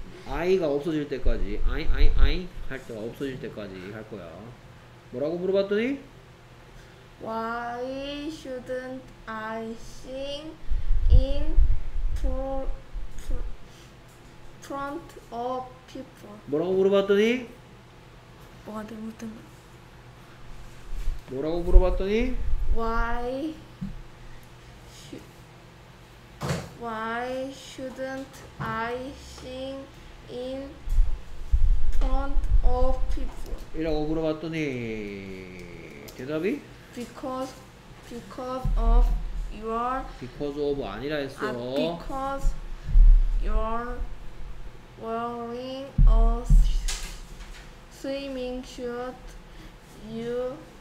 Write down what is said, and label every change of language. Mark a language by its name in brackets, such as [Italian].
[Korean] I가 없어질 때까지 I 할 때가 없어질 때까지 할 거야. 뭐라고 물어봤더니? [English] Why shouldn't I sing in front of people? [Korean] 뭐라고 물어봤더니? 뭐가 되거든? 뭐라고 물어봤더니? [English] Why shouldn't I sing in front of people? [Korean] 이라고 물어봤더니 대답이? [English] Because of [Korean] 아니라 했어. [English] Because you're wearing a swimming suit, you.